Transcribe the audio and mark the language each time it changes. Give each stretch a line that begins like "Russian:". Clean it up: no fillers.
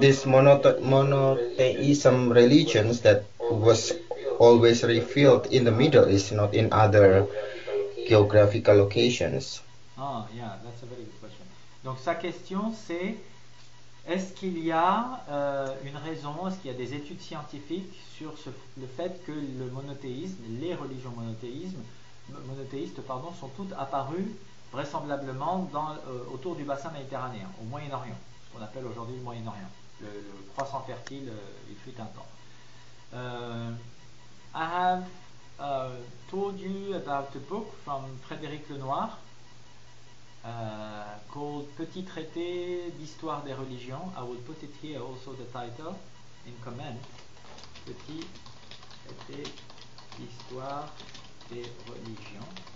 English: This monotheism religions that was always revealed in the Middle East, not in other geographical locations. Ah, yeah, that's a very good question.
French: Donc sa question c'est, est-ce qu'il y a une raison, est-ce qu'il y a des études scientifiques sur le fait que le monothéisme, les religions monothéistes, pardon, sont toutes apparues vraisemblablement autour du bassin méditerranéen, au Moyen-Orient, ce qu'on appelle aujourd'hui le Moyen-Orient, le croissant fertile, il fut un temps.
English: I have told you about a book from Frédéric Lenoir called Petit traité d'histoire des religions. I will put it here also the title in comment. Petit traité d'histoire des religions.